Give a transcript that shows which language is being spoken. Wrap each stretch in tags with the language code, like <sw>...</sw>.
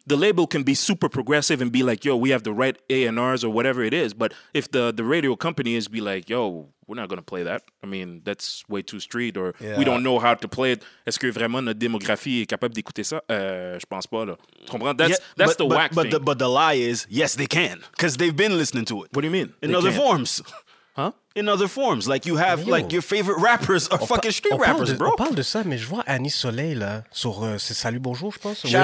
<en>The label can be super progressive and be like, yo, we have the right A&Rs or whatever it is. But if the radio company is be like, yo, we're not going to play that. I mean, that's way too street. Or we don't know how to play it.</en> <fr>Est-ce que vraiment notre démographie est capable d'écouter ça? Je pense pas, là. Tu comprends?</fr> <en>That's the whack thing. But the lie is, yes, they can. Because they've been listening to it. What do you mean? In other forms. In other forms, like you have, like your favorite rappers are fucking street rappers, bro.</en> <fr>On parle de ça, mais je vois Annie Soleil là sur c'est Salut Bonjour, je pense.</fr>